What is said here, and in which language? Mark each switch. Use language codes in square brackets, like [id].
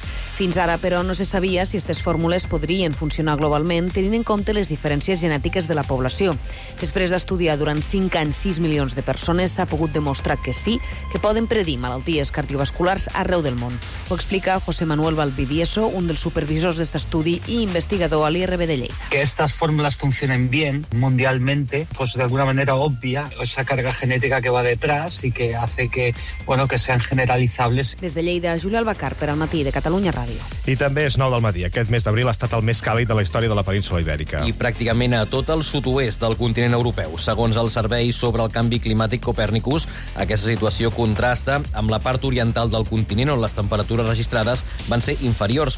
[ca] Fins ara, però, no se sabia si aquestes fórmules podrien funcionar globalment tenint en compte les diferències genètiques de la població. Després d'estudiar durant 5 anys 6 milions de persones, s'ha pogut demostrar que sí, que poden predir malalties cardiovasculars arreu del món. Ho explica José Manuel Valvidieso, un dels supervisors d'aquest estudi i investigador a l'IRB de Lleida. Que aquestes fórmules funcionen [es] bien mundialmente, pues de alguna manera obvia esa carga genética que va detrás y que hace que, bueno, que sean generalizables. [ca] Des de Lleida, Júlia Albacar, per al matí de Catalunya Ràdio. I també és 9 del matí. Aquest mes d'abril ha estat el més càlid de la història de la península Ibèrica. I pràcticament a tot el sud-oest del continent europeu. Segons el Servei sobre el Canvi Climàtic Copernicus, aquesta situació contrasta amb la part oriental del continent, on les temperatures registrades van ser inferiors.